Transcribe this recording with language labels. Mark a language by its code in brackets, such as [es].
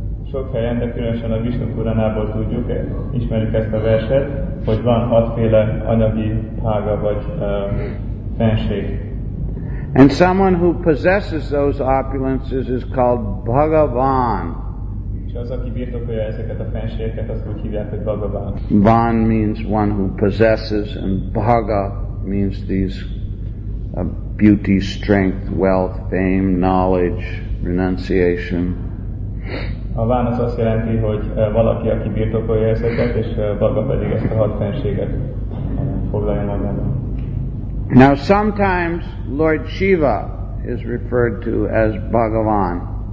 [hu] Sok helyen, de különösen a Vishnu Puranából tudjuk, ismerjük ezt a verset, hogy van hatféle anyagi bhaga vagy fenség. [en] And someone who possesses those opulences is called Bhagavan. [hu] És az, aki birtokolja ezeket a fenségeket, azt úgy hívják, hogy Bhagavan. [en] Van means one who possesses, and bhaga means these beauty, strength, wealth, fame, knowledge, renunciation. [hu] A ván az azt jelenti, hogy valaki, aki birtokolja ezeket, és bhaga pedig ezt a hat fenséget foglalja magába. [en] Now sometimes Lord Shiva is referred to as Bhagavan.